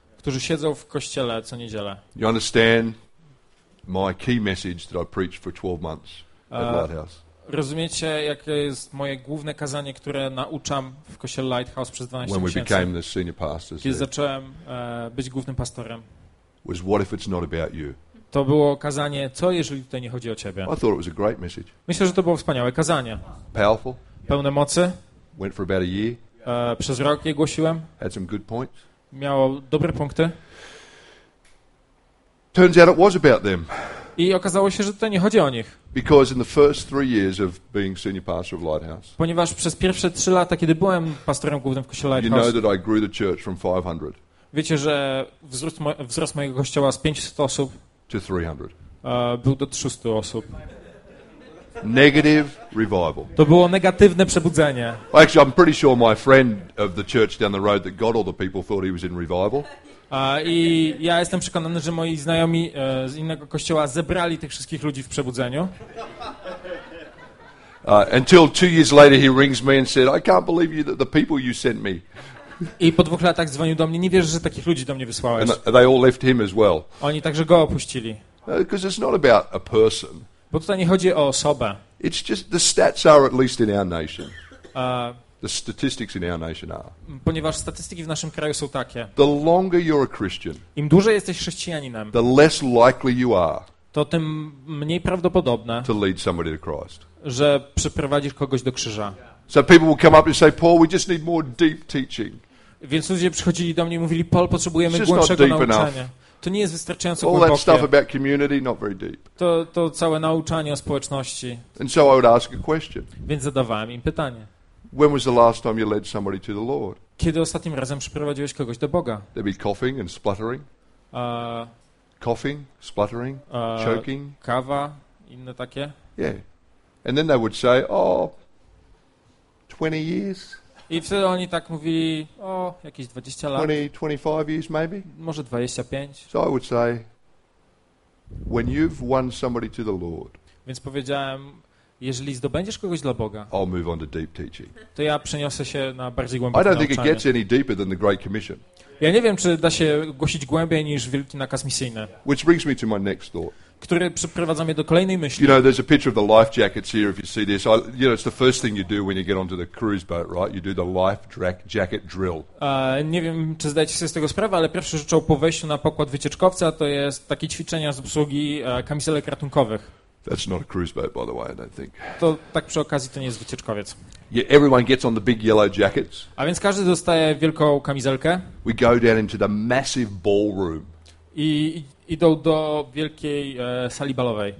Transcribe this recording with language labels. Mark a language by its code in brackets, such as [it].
[pl] Którzy siedzą w kościele co niedzielę. [en] You understand my key message that I preached for 12 months at Lighthouse. [pl] Rozumiecie, jakie jest moje główne kazanie, które nauczam w kościele Lighthouse przez 12 [en] when [pl] miesięcy, [en] we became the senior pastors [pl] kiedy zacząłem być głównym pastorem. [en] Was what if it's not about you? [pl] To było kazanie, co jeżeli tutaj nie chodzi o ciebie. [en] I thought it was a great message. [pl] Myślę, że to było wspaniałe kazanie. [en] Powerful. [pl] Pełne mocy. [en] Went for about a year. [pl] Przez rok je głosiłem. [en] Had some good points. [pl] Miało dobre punkty. [en] Turns out it was about them. [pl] I okazało się, że to nie chodzi o nich. [en] Because in the first 3 years of being senior pastor of Lighthouse. [pl] Ponieważ przez pierwsze 3 lata, kiedy byłem pastorem głównym w kościele Lighthouse. [en] You know that I grew the church from 500. [pl] Wiecie, że wzrost mojego kościoła z 500 osób. [en] To 300. [pl] Był do 300 osób. [en] Negative revival. [pl] To było negatywne przebudzenie. [en] Actually, I'm pretty sure my friend of the church down the road that got all the people thought he was in revival. [pl] I ja jestem przekonany, że moi znajomi z innego kościoła zebrali tych wszystkich ludzi w przebudzeniu. [en] Until 2 years later, he rings me and said, "I can't believe you that the people you sent me." [pl] I po 2 latach dzwonił do mnie, nie wierzę, że takich ludzi do mnie wysłałeś. [en] And they all left him as well. [pl] Oni także go opuścili. [en] Because it's not about a person. [pl] Bo tutaj nie chodzi o osobę. [en] It's just the stats are at least in our nation. The statistics in our nation are. [pl] Ponieważ statystyki w naszym kraju są takie. [en] The longer you're a Christian. [pl] Im dłużej jesteś chrześcijaninem. [en] The less likely you are. [pl] To tym mniej prawdopodobne. [en] To lead somebody to Christ. [pl] Że przyprowadzisz kogoś do krzyża. [en] So people will come up and say, Paul, we just need more deep teaching. [pl] Więc ludzie przychodzili do mnie i mówili, Paul, potrzebujemy głębszego nauczania. To nie jest wystarczająco [en] all [pl] głębokie. [en] That stuff about community, not very deep. [pl] To całe nauczanie o społeczności. [en] And so I would ask a question. [pl] Więc zadawałem im pytanie. [en] When was the last time you led somebody to the Lord? [pl] Kiedy ostatnim razem przyprowadziłeś kogoś do Boga? [en] They'd be coughing and spluttering. Coughing, spluttering, choking. [pl] Kawa, inne takie. [en] Yeah. And then they would say, oh, 20 years? [pl] I wtedy oni tak mówili, o, jakieś 20 lat. [en] 25 years maybe? [pl] Może 25. [en] So I would say, when you've won somebody to the Lord. [pl] Więc powiedziałem, Jeżeli zdobędziesz kogoś dla Boga, [en] I'll move on to deep teaching. [pl] To ja przeniosę się na bardziej głębokie nauczanie. [en] I don't think it gets any deeper than the Great Commission. [pl] Ja nie wiem, czy da się głosić głębiej niż wielki nakaz misyjny. [en] Which brings me to my next thought. [pl] Który przyprowadza mnie do kolejnej myśli. [en] You know, there's a picture of the life jackets here. If you see this, you know, it's the first thing you do when you get onto the cruise boat, right? You do the life jacket drill. [pl] Nie wiem, czy zdajecie sobie z tego sprawę, ale pierwszą rzeczą po wejściu na pokład wycieczkowca to jest takie ćwiczenia z obsługi kamizelek ratunkowych. [en] That's not a cruise boat, by the way, I don't think. [pl] To tak przy okazji to nie jest wycieczkowiec. [en] Yeah, everyone gets on the big yellow jackets. [pl] A więc każdy dostaje wielką kamizelkę. [en] We go down into the massive ballroom. [pl] I idą do wielkiej sali balowej.